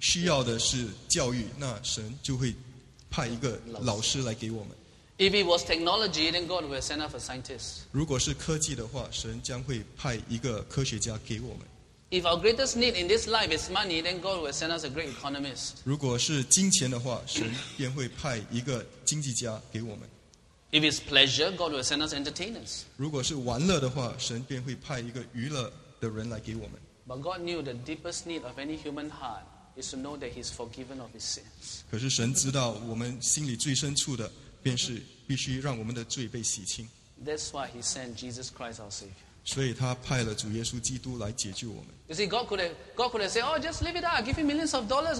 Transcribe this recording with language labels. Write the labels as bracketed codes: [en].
[zh] 如果我们一生最需要的是教育, 那神就会派一个老师来给我们。 [en] If it was technology, then God would have sent us a scientist. [zh] 如果是科技的话, 神将会派一个科学家给我们。 [en] If our greatest need in this life is money, then God will send us a great economist. [zh] 如果是金钱的话, 神便会派一个经济家给我们。 [en] If it's pleasure, God will send us entertainers. [zh] 如果是玩乐的话, 神便会派一个娱乐的人来给我们。 [en] But God knew the deepest need of any human heart is to know that he's forgiven of his sins. [zh] 可是神知道我们心里最深处的, 便是必须让我们的罪被洗清。 [en] That's why he sent Jesus Christ our Savior. [zh] 所以他派了主耶稣基督来解救我们。 [en] You see, God could have said, "Oh, just leave it out. Give you millions of dollars.